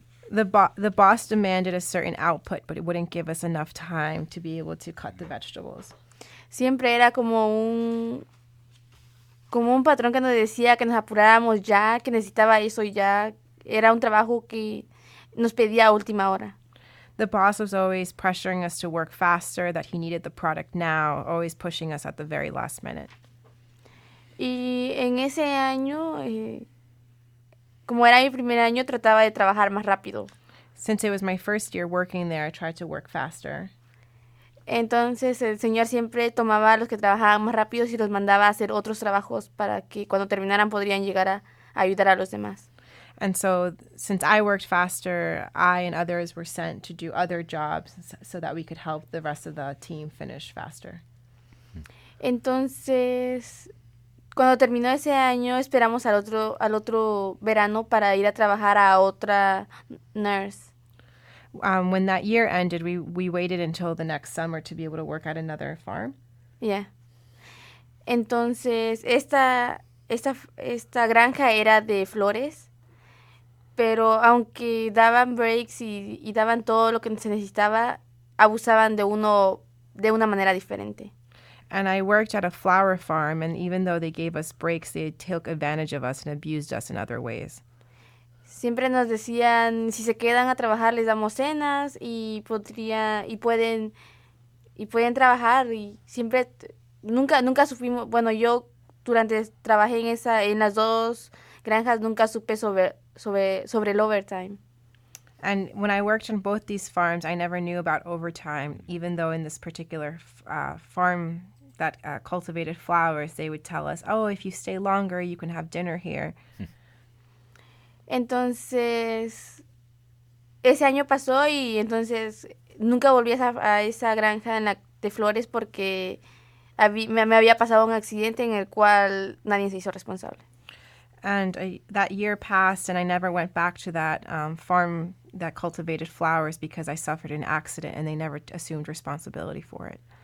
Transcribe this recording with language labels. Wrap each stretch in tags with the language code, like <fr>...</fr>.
<en>The boss demanded a certain output, but it wouldn't give us enough time to be able to cut the vegetables.</en> <es>Siempre era como un patrón que nos decía que nos apuráramos ya, que necesitaba eso y ya. Era un trabajo que nos pedía a última hora.</es> <en>The boss was always pressuring us to work faster, that he needed the product now, always pushing us at the very last minute.</en> <es>Y en ese año, como era mi primer año, trataba de trabajar más rápido.</es> <en>Since it was my first year working there, I tried to work faster.</en> <es>Entonces el señor siempre tomaba a los que trabajaban más rápido y los mandaba a hacer otros trabajos para que cuando terminaran podrían llegar a ayudar a los demás.</es> <en>And so, since I worked faster, I and others were sent to do other jobs so that we could help the rest of the team finish faster.</en> <es>Entonces, cuando terminó ese año, esperamos al otro verano para ir a trabajar a otra nurse.</es> <en>When that year ended, we waited until the next summer to be able to work at another farm. Yeah.</en> <es>Entonces, esta granja era de flores, pero aunque daban breaks y daban todo lo que se necesitaba, abusaban de uno de una manera diferente.</es> <en>And I worked at a flower farm, and even though they gave us breaks, they took advantage of us and abused us in other ways.</en> <es>Siempre nos decían, si se quedan a trabajar, les damos cenas y pueden trabajar. Y siempre, nunca supimos, bueno, yo durante trabajé en las dos granjas, nunca supe sobre el overtime.</es> <en>And when I worked on both these farms, I never knew about overtime, even though in this particular farm that cultivated flowers, they would tell us, oh, if you stay longer, you can have dinner here.</en> <es>Entonces, ese año pasó y entonces nunca volví a esa granja de flores porque me había pasado un accidente en el cual nadie se hizo responsable.</es> <en>And that year passed, and I never went back to that farm that cultivated flowers because I suffered an accident, and they never assumed responsibility for it.</en>